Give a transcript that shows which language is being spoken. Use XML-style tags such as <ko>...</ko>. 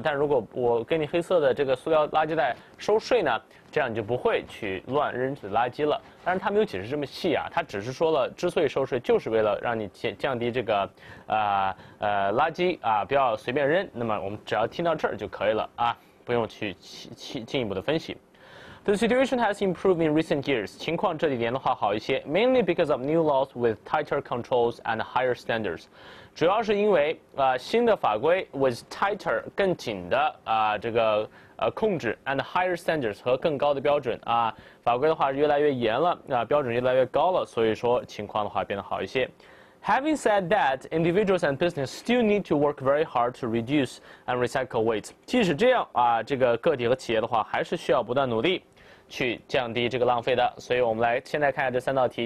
<zh>但如果我给你黑色的这个塑料垃圾袋收税呢，这样你就不会去乱扔纸垃圾了。但是他没有解释这么细啊，他只是说了之所以收税就是为了让你降低这个垃圾啊不要随便扔。那么我们只要听到这儿就可以了啊。不用去进一步的分析。</zh> <en>The situation has improved in recent years.</en> <zh>情况这几年的话好一些</zh> <en>，mainly because of new laws with tighter controls and higher standards.</en> <zh>主要是因为新的法规</zh> <en>with tighter</en> <zh>更紧的这个控制</zh> <en>and higher standards</en> <zh>和更高的标准啊，法规的话越来越严了标准越来越高了，所以说情况的话变得好一些。</zh> <en>Having said that, individuals and businesses still need to work very hard to reduce and recycle waste.</en> <zh>即使这样啊，这个个体和企业的话，还是需要不断努力去降低这个浪费的。所以我们来现在看一下这三道题。</zh>